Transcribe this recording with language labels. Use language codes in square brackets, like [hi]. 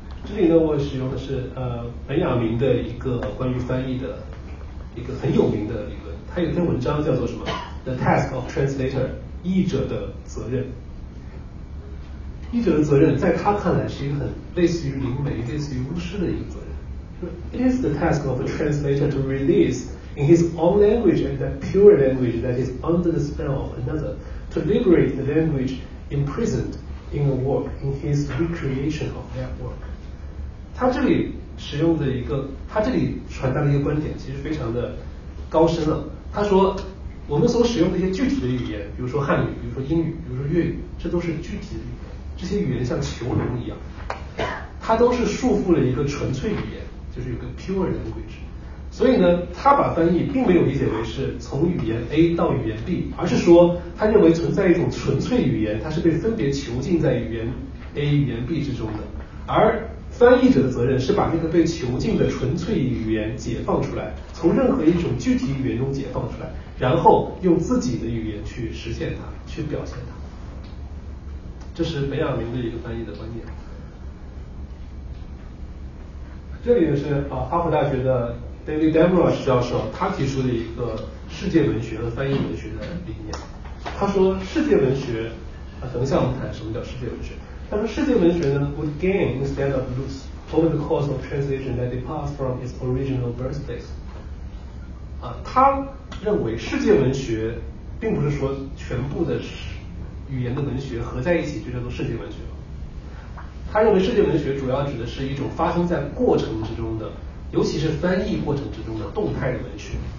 [zh] 这里呢，我使用的是本雅明的一个关于翻译的一个很有名的理论，他有篇文章叫做什么 The Task of Translator， 译者的责任。译者的责任在他看来是一个很类似于灵媒、类似于巫师的一个责任。 [en] It is the task of a translator to release in his own language and that pure language that is under the spell of anotherTo liberate the language imprisoned in a work in his recreation of that work. [zh] 他这里使用的一个，他这里传达的一个观点其实非常的高深了。他说，我们所使用的一些具体的语言，比如说汉语，比如说英语，比如说粤语，这都是具体的语言。这些语言像囚笼一样，它都是束缚了一个纯粹语言，就是有个 pure language。所以呢，他把翻译并没有理解为是从语言 A 到语言 B， 而是说他认为存在一种纯粹语言，它是被分别囚禁在语言 A 语言 B 之中的，而翻译者的责任是把这个被囚禁的纯粹语言解放出来，从任何一种具体语言中解放出来，然后用自己的语言去实现它、去表现它。这是本雅明的一个翻译的观点。这里是哈佛大学的David Damrosch 教授，他提出了一个世界文学和翻译文学的理念。他说，世界文学，等一下我们谈什么叫世界文学。他说，世界文学呢 [en] would gain instead of lose over the course of translation that departs from its original birthplace。 [zh] 他认为世界文学并不是说全部的语言的文学合在一起就叫做世界文学，他认为世界文学主要指的是一种发生在过程之中的，尤其是翻译过程之中的动态的文学。